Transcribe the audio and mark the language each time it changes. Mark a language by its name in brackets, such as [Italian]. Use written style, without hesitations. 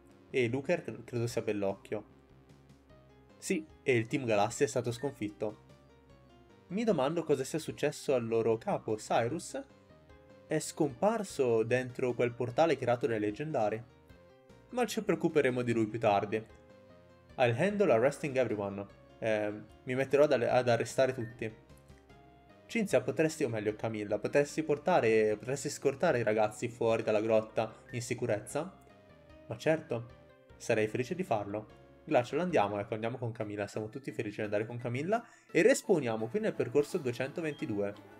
[Italian] E Looker credo sia Bellocchio. Sì, e il Team Galassia è stato sconfitto. Mi domando cosa sia successo al loro capo, Cyrus. È scomparso dentro quel portale creato dai leggendari. Ma ci preoccuperemo di lui più tardi. [English] I'll handle arresting everyone. [Italian] Mi metterò ad arrestare tutti. Cinzia, potresti, o meglio Camilla, potresti scortare i ragazzi fuori dalla grotta in sicurezza? Ma certo, sarei felice di farlo. Glacial, andiamo, ecco, andiamo con Camilla, siamo tutti felici di andare con Camilla e respawniamo qui nel percorso 222.